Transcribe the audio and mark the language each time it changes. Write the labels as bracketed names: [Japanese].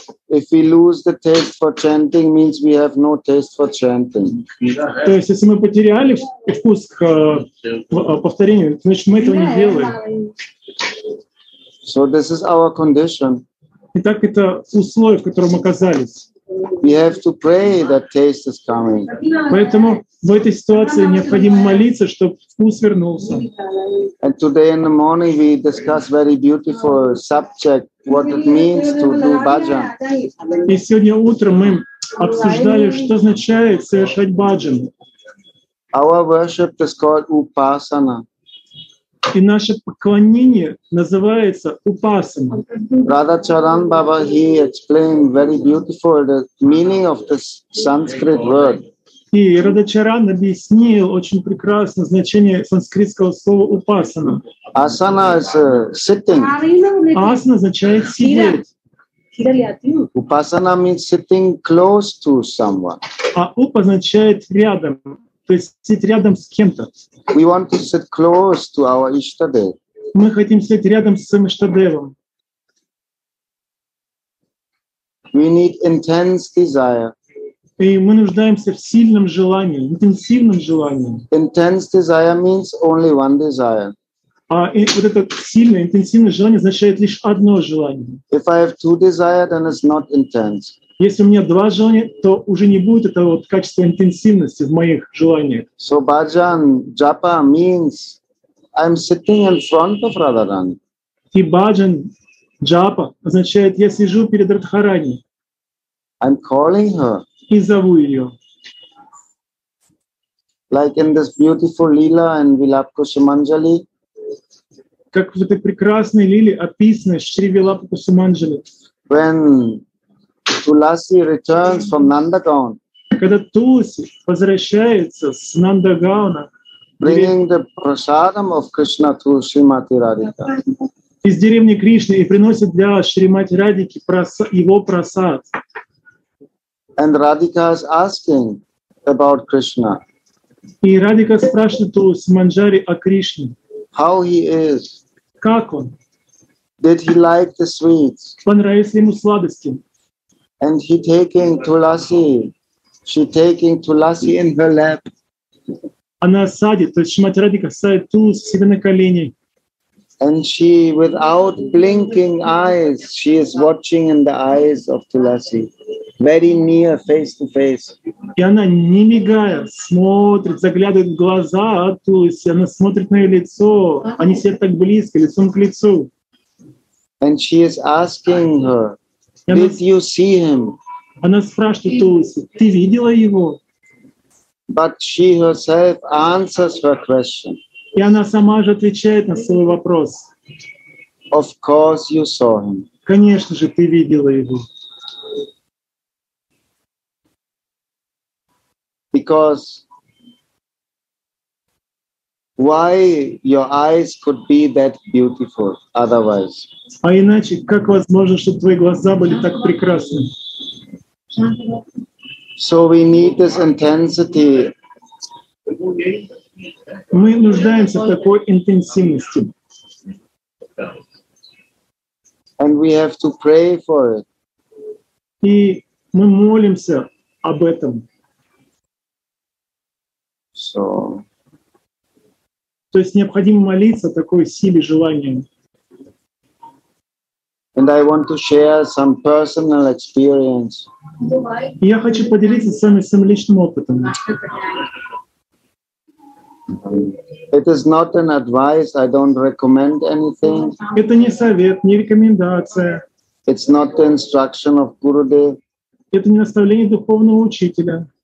[English] If we lose the taste for chanting, means we have no taste for chanting. [Russian] То есть, если мы потеряли вкус к повторению, значит, мы этого не делаем. [English] So this is our condition. [Russian] Итак, это условие, в котором мы оказались. [English] We have to pray that taste is coming. [Russian] Поэтому в этой ситуации необходимо молиться, чтобы вкус вернулся. [English] And today in the morning we discuss very beautiful subject, what it means to do bhajan. [Russian] И сегодня утром мы обсуждали, что означает совершать bhajan. [English] Our worship is called upasana. [Russian] И наше поклонение называется упасана. [English] Radha Charan Baba, he explained very beautiful the meaning of this Sanskrit word. [Russian] И Radha Charan объяснил очень прекрасно значение санскритского слова упасана. [English] Asana is sitting. [Russian] Asana означает сидеть. [English] Upasana means sitting close to someone. [Russian] А упа означает рядом. То есть сидеть рядом с кем-то. [English] We want to sit close to our Ishtadev. [Russian] Мы хотим сидеть рядом с своим Иштадевом. [English] We need intense desire. [Russian] И мы нуждаемся в сильном желании, интенсивном желании. [English] Intense desire means only one desire. [Russian] А вот это сильное, интенсивное желание означает лишь одно желание. [English] If I have two desire, then it's not intense. [Russian] Если у меня два желания, то уже не будет этого вот качества интенсивности в моих желаниях. [English] So bhajan, japa means I'm sitting in front of Radharani. [Russian] И bhajan, japa означает, я сижу перед Радхарани. [English] I'm calling her. [Russian] И зову ее. [English] Like in this beautiful lila in Vilapakusumanjali. [Russian] Как в этой прекрасной лиле описано в Шри Вилапакусумаджали. [English] When Tulasi returns from Nandagaon. [Russian] Когда Туласи возвращается с Нандагауна, [English] bringing the prasadam of Krishna to Shrimati Radhika. [Russian] Из деревни Кришны и приносит для Шримати Радики его прасад. [English] And Radhika is asking about Krishna. [Russian] И Радика спрашивает Туласи Манджари о Кришне. [English] How he is? [Russian] Как он? [English] Did he like the sweets? [Russian] Понравились ли ему сладости? [English] And he taking Tulasi, she taking Tulasi in her lap. [Russian] Она садит, то есть Шримати Радика садит Туласи себе на колени. [English] And she, without blinking eyes, she is watching in the eyes of Tulasi, very near, face to face. [Russian] И она не мигая смотрит, заглядывает в глаза Туласи, она смотрит на ее лицо, они сидят так близко, лицом к лицу. [English] And she is asking her. Did you see him? [Russian] Она спрашивает Туласи, ты видела его? [English] But she herself answers her question. [Russian] И она сама же отвечает на свой вопрос. [English] Of course you saw him. [Russian] Конечно же, ты видела его. [English] Because why your eyes could be that beautiful otherwise? [Russian] А иначе как возможно, чтобы твои глаза были так прекрасны? [English] So we need this intensity. [Russian] Мы нуждаемся в такой интенсивности. [English] And we have to pray for it. [Russian] И мы молимся об этом. [English] So. [Russian] То есть необходимо молиться о такой силе желания. [English] And I want to share some personal experience. [Russian] Я хочу поделиться с вами своим личным опытом. [English] It is not an advice. I don't recommend anything. [Russian] Это не совет, не рекомендация. [English] It's not the instruction of Gurudev. [Russian] Это не наставление духовного учителя.